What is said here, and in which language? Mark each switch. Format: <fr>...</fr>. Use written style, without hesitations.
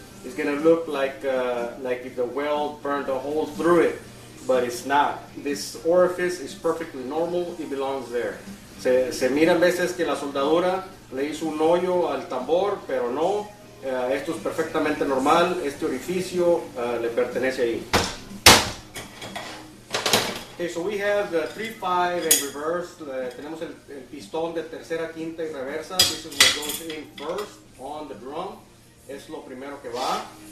<en>It's going to look like if the weld burned a hole through it, but it's not. This orifice is perfectly normal. It belongs there.</en> <es>Se mira a veces que la soldadura le hizo un hoyo al tambor, pero no. Esto es perfectamente normal. Este orificio le pertenece ahí.</es> <en>Okay, so we have the 3-5 in reverse.</en> <es>Tenemos el pistón de tercera, quinta y reversa.</es> <en>This is what goes in first on the drum.</en> <es>Es lo primero que va.</es>